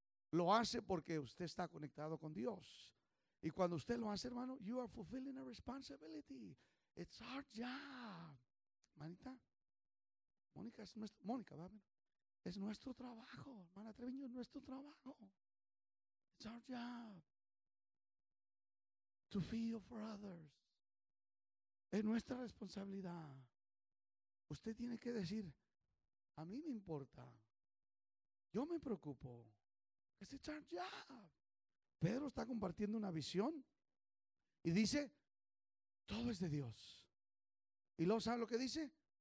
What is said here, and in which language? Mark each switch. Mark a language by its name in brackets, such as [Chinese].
[Spanish] Lo hace porque usted está conectado con Dios. Y cuando usted lo hace, hermano, [English] you are fulfilling a responsibility. It's our job. [Spanish] Manita, Mónica, es nuestro trabajo. Hermana Treviño, es nuestro trabajo. [English] It's our job to feel for others. [Spanish] Es nuestra responsabilidad. Usted tiene que decir, a mí me importa. Yo me preocupo. [English] It's our job. [Spanish] Pedro está compartiendo una visión y dice, todo es de Dios. Y luego, ¿sabe lo que dice?